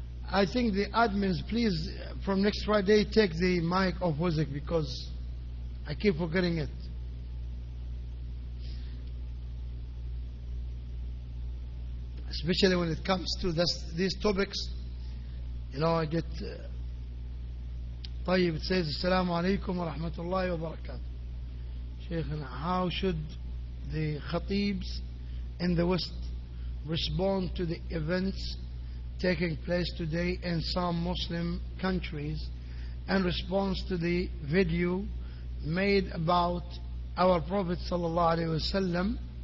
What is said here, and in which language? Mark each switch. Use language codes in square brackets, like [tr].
[en] I think the admins, please, from next Friday, take the mic off wazik because I keep forgetting it. Especially when it comes to these topics, you know, I get طيب. It says [ar] السلام عليكم ورحمة الله وبركاته. شيخنا, [en] how should the khatibs in the West respond to the events taking place today in some Muslim countries in response to the video made about our Prophet [ar] صلى الله عليه وسلم?